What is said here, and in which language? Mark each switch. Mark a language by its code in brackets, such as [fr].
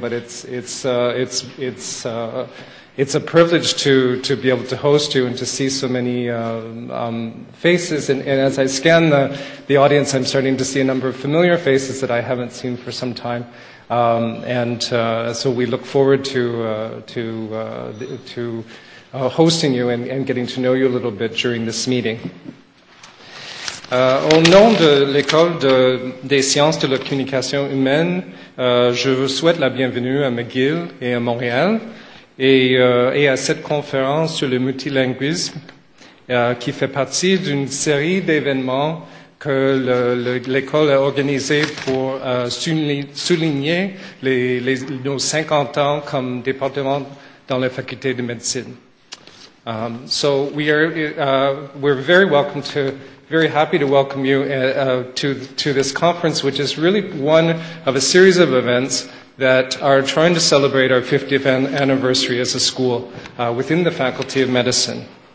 [en] But it's a privilege to be able to host you and to see so many faces. And as I scan the audience, I'm starting to see a number of familiar faces that I haven't seen for some time. So we look forward to hosting you and getting to know you a little bit during this meeting. [fr] Au nom de l'École des sciences de la communication humaine, je vous souhaite la bienvenue à McGill et à Montréal et à cette conférence sur le multilinguisme qui fait partie d'une série d'événements que l'école a organisé pour souligner nos 50 ans comme département dans la faculté de médecine. [en] We're very welcome to, very happy to welcome you to this conference, which is really one of a series of events that are trying to celebrate our 50th anniversary as a school within the Faculty of Medicine.